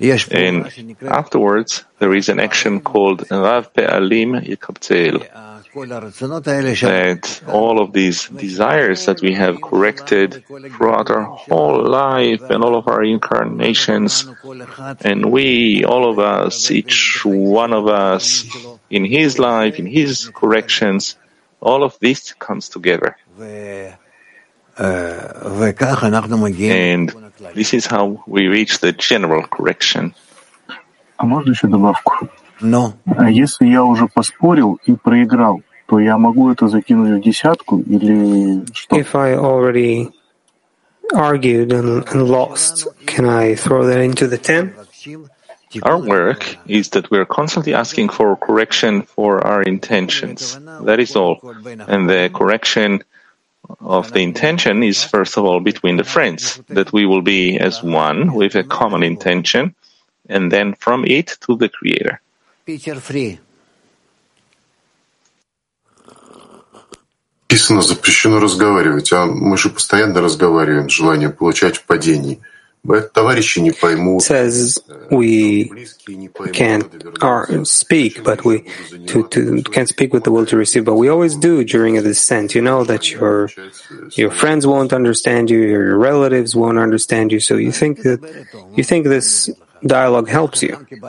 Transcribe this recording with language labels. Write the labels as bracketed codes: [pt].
[en] And afterwards, there is an action called Rav Pe'alim Yekabtzel, that all of these desires that we have corrected throughout our whole life and all of our incarnations, and we, all of us, each one of us, in his life, in his corrections, all of this comes together. And this is how we reach the general correction. [ru] А можно еще добавку? [en] No. [ru] А если я уже поспорил и проиграл, то я могу это закинуть в десятку или что? [en] If I already argued and lost, can I throw that into the ten? Our work is that we are constantly asking for correction for our intentions. That is all. And the correction of the intention is, first of all, between the friends, that we will be as one with a common intention, and then from it to the Creator. Peter Free. [ru] Писано, запрещено разговаривать, а мы же постоянно разговариваем, желание получать в падении. [en] says we can't speak, but we can't speak with the will to receive. But we always do during a descent. You know that your friends won't understand you, your relatives won't understand you. So you think this dialogue helps you.